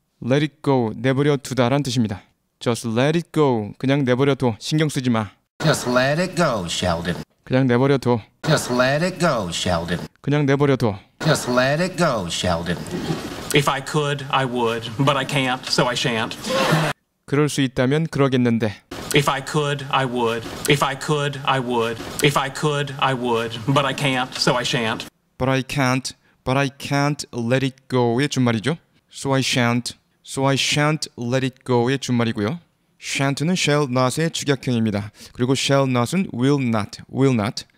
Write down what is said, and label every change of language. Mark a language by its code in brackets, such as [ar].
[en] Let it go, [ko] 내버려 두다란 뜻입니다. [en] Just let it go, [ko] 그냥 내버려 둬, 신경 쓰지 마. [en] Just let it go, Sheldon. [ko] 그냥 내버려 둬. [en] Just let it go, Sheldon. [ko] 그냥 내버려 둬. [en] Just let it go, Sheldon. If I could, I would, but I can't, so I shan't. [ko] 그럴 수 있다면 그러겠는데. [en] If I could, I would. If I could, I would. If I could, I would, but I can't, so I shan't. But I can't, but I can't let it go의 [ko] 준말이죠. [en] So I shan't. So I shan't let it go의 [ko] 준말이고요. Shan't는 shall not의 직역형입니다. 그리고 shall not은 [en] will not, will not.